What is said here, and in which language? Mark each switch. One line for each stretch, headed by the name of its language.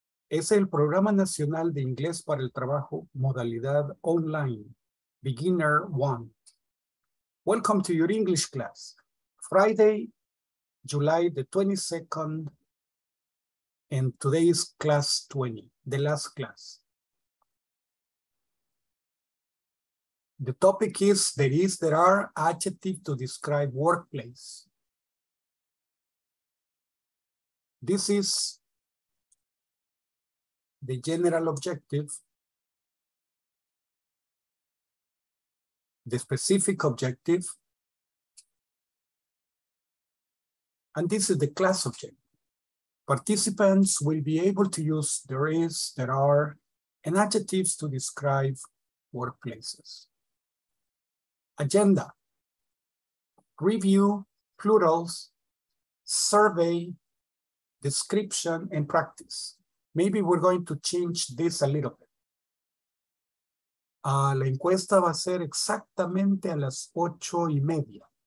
Spanish: Es el Programa Nacional de Inglés para el Trabajo, modalidad online, Beginner One.
English: Welcome to your English class. Friday, July the 22nd, and today's class 20, the last class. The topic is, there are adjectives to describe workplace. This is the general objective, the specific objective, and this is the class object. Participants will be able to use there is, there are, and adjectives to describe workplaces. Agenda, review, plurals, survey, description, and practice. Maybe we're going to change this a little bit.
Spanish: La encuesta va a ser exactamente a las 8:30.